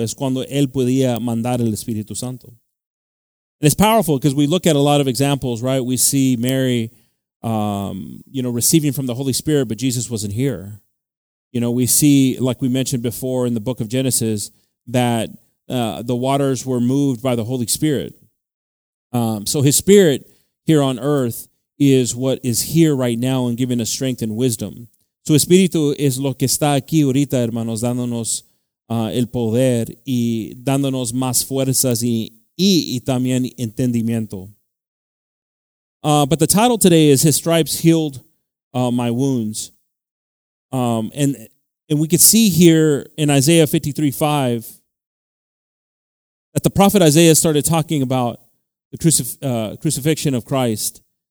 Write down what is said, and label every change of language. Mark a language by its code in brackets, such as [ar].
[es] Es cuando Él podía mandar el Espíritu Santo. [en] And it's powerful because we look at a lot of examples, right? We see Mary, you know, receiving from the Holy Spirit, but Jesus wasn't here. You know, we see, like we mentioned before in the book of Genesis, that the waters were moved by the Holy Spirit. So his Spirit here on earth is what is here right now and giving us strength and wisdom. [es] Su Espíritu es lo que está aquí ahorita, hermanos, dándonos el poder y dándonos más fuerzas y también entendimiento. [en] But the title today is His Stripes Healed My Wounds. And we can see here in Isaiah 53:5 that the prophet Isaiah started talking about the crucifixion of Christ.